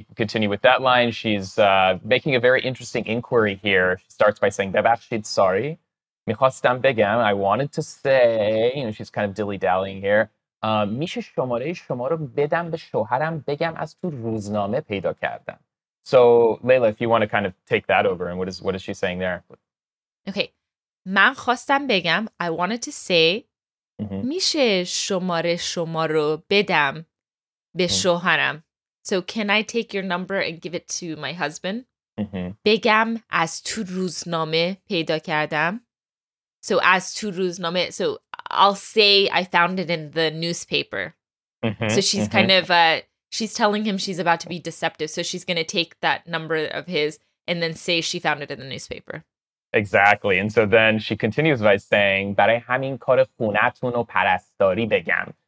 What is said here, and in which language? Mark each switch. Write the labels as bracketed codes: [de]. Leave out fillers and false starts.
[en] Continue with that line. She's making a very interesting inquiry here. She starts by saying, ببخشید, sorry. [fa] میخواستم بگم, [en] I wanted to say, she's kind of dilly-dallying here. [fa] میشه شماره شما رو بدم به شوهرم بگم از تو روزنامه پیدا کردم. [en] So, Leila, if you want to kind of take that over, and what is she saying there? Okay. [fa] من خواستم بگم [en] I wanted to say [fa] میشه شماره شما رو بدم به شوهرم. [en] So can I take your number and give it to my husband? [fa] بگم از تو روزنامه پیدا کردم. [en] So as to روزنامه. So I'll say I found it in the newspaper. So she's kind of she's telling him she's about to be deceptive. So she's going to take that number of his and then say she found it in the newspaper. Exactly. And so then she continues by saying, [fa] برای همین کار خونتون و پرستاری بگم.